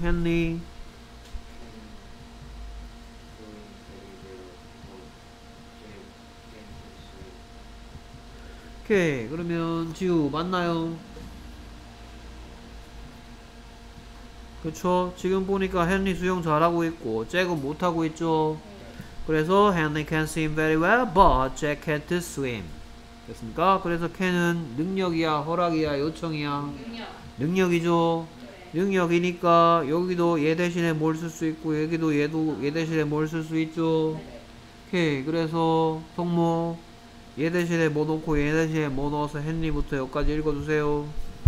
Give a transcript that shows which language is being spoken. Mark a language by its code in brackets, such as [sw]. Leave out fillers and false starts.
[ko] 헨리 오케이. 그러면 지우 맞나요? 그쵸. 지금 보니까 헨리 수영 잘하고 있고 잭은 못하고 있죠. 그래서 [en] Henry can swim very well, but Jack can't swim. [ko] 됐습니까? 그래서 can은 능력이야, 허락이야, 요청이야? 능력. 능력이죠. 그래. 능력이니까 여기도 얘 대신에 뭘 쓸 수 있고 여기도 얘도 얘 대신에 뭘 쓸 수 있죠. 네. 오케이. 그래서 성모 얘 대신에 뭐 넣고 얘 대신에 뭐 넣어서 헨리부터 여기까지 읽어주세요.